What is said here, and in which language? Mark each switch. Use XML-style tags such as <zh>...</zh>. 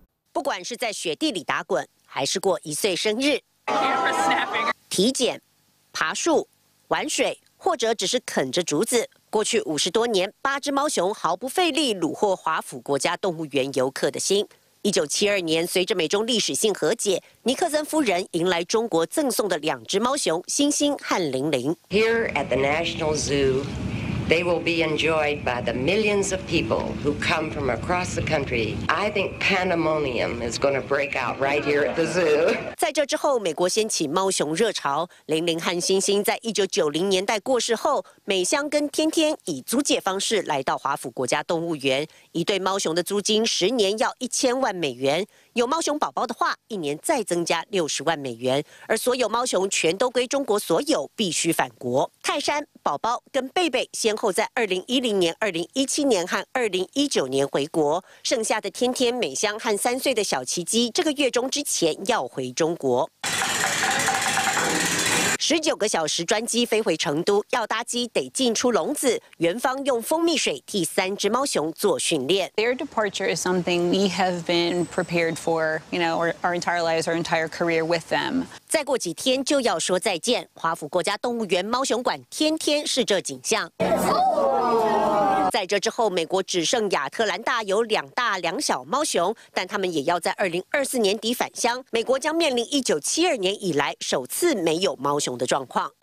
<zh>不管是在雪地里打滚，还是过一岁生日、体检、爬树、玩水，或者只是啃着竹子，过去50多年，八只猫熊毫不费力虏获华府国家动物园游客的心。 1972年，随着美中历史性和解，尼克森夫人迎来中国赠送的两只猫熊星星和玲玲。</zh> <en>Here at the National Zoo. They will be enjoyed by the millions of people who come from across the country. I think pandemonium is going to break out right here at the zoo.</en> <zh>在这之后，美国掀起猫熊热潮。玲玲和星星在1990年代过世后，美香跟天天以租借方式来到华府国家动物园。一对猫熊的租金10年要$10,000，有猫熊宝宝的话，一年再增加$600,000。而所有猫熊全都归中国所有，必须返国。泰山、宝宝跟贝贝先后在2010年、2017年和2019年回国，剩下的天天、美香和3岁的小奇迹，这个月中之前要回中国。 19个小时专机飞回成都，要搭机得进出笼子，园方用蜂蜜水替三只猫熊做训练。</zh> <en>Their departure is something we have been prepared for, you know, our entire lives, our entire career with them.</en> <zh>再过几天就要说再见，华府国家动物园猫熊馆天天是这景象。在这之后，美国只剩亚特兰大有2大2小猫熊，但他们也要在2024年底返乡。美国将面临1972年以来首次没有猫熊的状况。</zh>